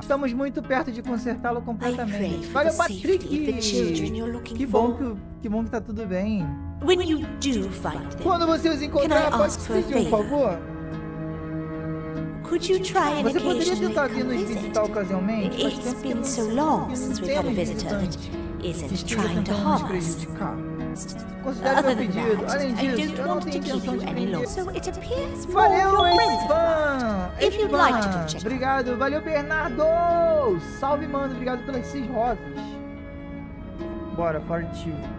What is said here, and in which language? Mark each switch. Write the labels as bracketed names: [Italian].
[Portuguese] Estamos muito perto de consertá-lo completamente. Olha o Patrick! Que bom que tá tudo bem. [English] When you do find them, [Portuguese] quando você os encontrar, pode pedir um favor? [English] Could you try [Portuguese] você poderia tentar vir nos visitar ocasionalmente? [English] It's been so long since we've had a visitor that isn't trying to harm us. [Portuguese] Considero meu pedido. Além disso, eu não tenho intenção de vender. Valeu, Espan! Espan! Obrigado! Valeu, Bernardo! Salve, mano! Obrigado pelas 6 rosas! Bora, partiu!